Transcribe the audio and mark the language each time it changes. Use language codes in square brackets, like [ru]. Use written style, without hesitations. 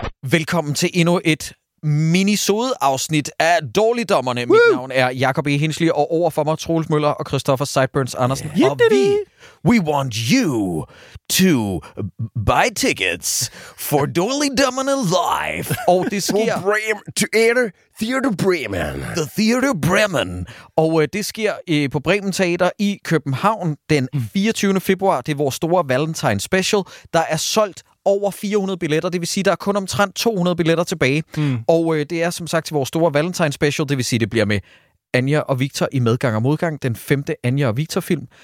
[da] Velkommen til endnu et minisode afsnit af Dårligdommerne. Woo! Mit navn er Jakob E. Hensley, og over for mig Troels Møller og Christoffer Sideburns Andersen. [en] Yeah. Og we want you to buy tickets for Dårligdommerne live. [da] Og det sker [en] to enter Theater Bremen. The Theater Bremen. [da] Og det sker på Bremen Teater i København den 24. februar. Det er vores store Valentine special, der er solgt over 400 billetter, det vil sige, der er kun omtrent 200 billetter tilbage. Mm. Og det er som sagt til vores store Valentine special, det vil sige, det bliver med Anja og Victor i Medgang og Modgang, den femte Anja og Victor-film.